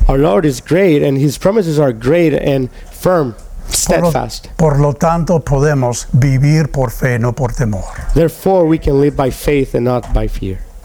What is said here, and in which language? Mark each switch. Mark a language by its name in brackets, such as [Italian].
[English] Our Lord is great and His promises are great and firm, steadfast. [Spanish] Por lo tanto, podemos vivir por fe, no por temor. [English] Therefore, we can live by faith and not by fear.